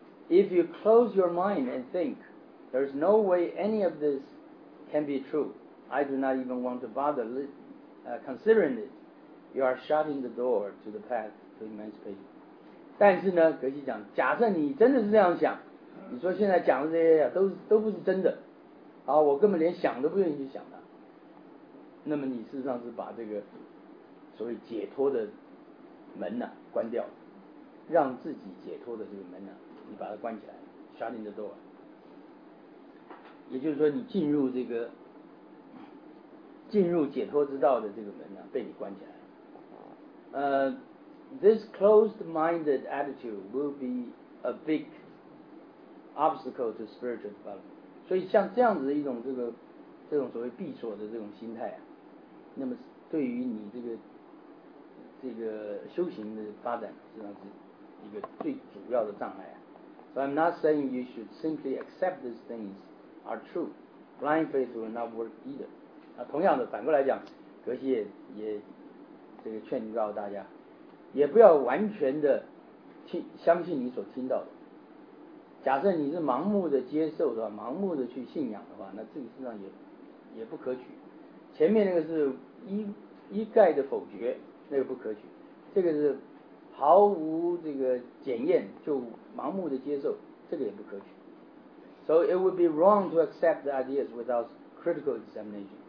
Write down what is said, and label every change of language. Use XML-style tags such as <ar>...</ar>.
<en>If you close your mind and think there's no way any of this can be true, I do not even want to bother considering it. You are shutting the door to the path to emancipation.</en> <zh>但是呢，格西讲，假设你真的是这样想，你说现在讲的这些都不是真的，啊，我根本连想都不愿意去想的，那么你事实上是把这个所谓解脱的门呢、啊、关掉，让自己解脱的这个门呢、啊，你把它关起来 ，</zh> <en>shutting the door。</en> <zh>也就是说，你进入解脱之道的这个门呢、啊，被你关起来。</zh> <en>This closed-minded attitude will be a big obstacle to spiritual development.</en> <zh>所以，像这样子的一种这种所谓闭锁的这种心态啊，那么对于你这个修行的发展，实际上是一个最主要的障碍啊。</zh> <en>So I'm not saying you should simply accept these things. Are true, blind faith will not work either.</en> <zh>那同样的，反过来讲，格西也这个劝告大家，也不要完全的相信你所听到的，假设你是盲目的接受的话，盲目的去信仰的话，那这个事实上也不可取。前面那个是一概的否决，那个不可取，这个是毫无这个检验就盲目的接受，这个也不可取。</zh> <en>So it would be wrong to accept the ideas without critical examination.</en>